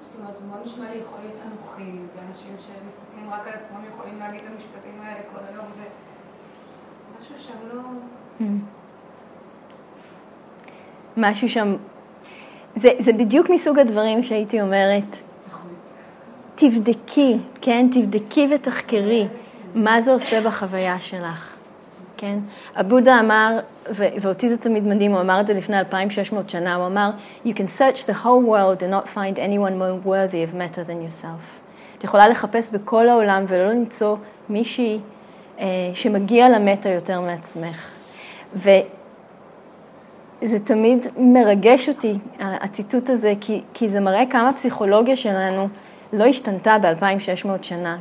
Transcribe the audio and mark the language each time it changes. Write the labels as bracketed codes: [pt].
[he] זאת אומרת, מאוד נשמע לי יכול להיות אנוכי, ואנשים שמסתכלים רק על עצמם יכולים להגיד את המשפטים האלה כל היום, ומשהו שם לא... משהו שם, זה בדיוק מסוג הדברים שהייתי אומרת, תבדקי, כן, תבדקי ותחקרי מה זה עושה בחוויה שלך, כן? הבודה אמר, ואותי זה תמיד מדהים, הוא אמר [en] את זה לפני 2600 שנה, הוא אמר, you can search the whole world and not find anyone more worthy of meta than yourself. [he] את יכולה לחפש בכל העולם ולא למצוא מישהי שמגיע למטה יותר מעצמך. ו... זה תמיד מרגש אותי, הציטוט הזה, כי זה מראה כמה פסיכולוגיה שלנו לא השתנתה ב-2600 שנה.